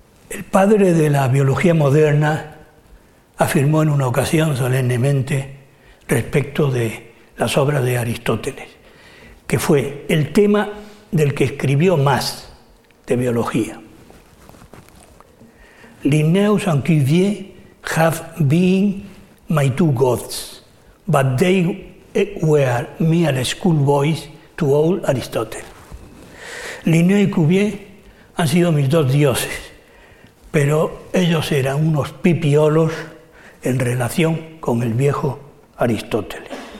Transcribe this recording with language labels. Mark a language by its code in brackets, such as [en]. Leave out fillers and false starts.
[es] El padre de la biología moderna afirmó en una ocasión solemnemente respecto de las obras de Aristóteles, que fue el tema del que escribió más de biología. [en] Linnaeus and Cuvier have been my two gods, but they were mere schoolboys to old Aristotle. [es] Linnaeus y Cuvier han sido mis dos dioses, pero ellos eran unos pipiolos en relación con el viejo Aristóteles.